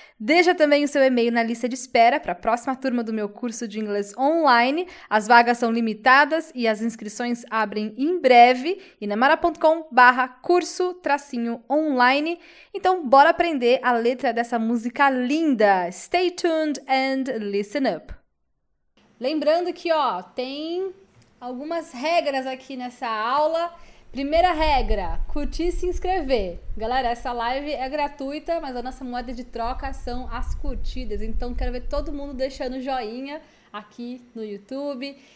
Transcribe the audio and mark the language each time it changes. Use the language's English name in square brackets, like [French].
[Portuguese] Deixa também o seu e-mail na lista de espera para a próxima turma do meu curso de inglês online. As vagas são limitadas e as inscrições abrem em breve. inamara.com/curso-online. Então, bora aprender a letra dessa música linda. [English] Stay tuned and listen up. [Portuguese] Lembrando que, ó, tem algumas regras aqui nessa aula. Primeira regra, curtir e se inscrever. Galera, essa live é gratuita, mas a nossa moeda de troca são as curtidas. Então, quero ver todo mundo deixando joinha aqui no YouTube.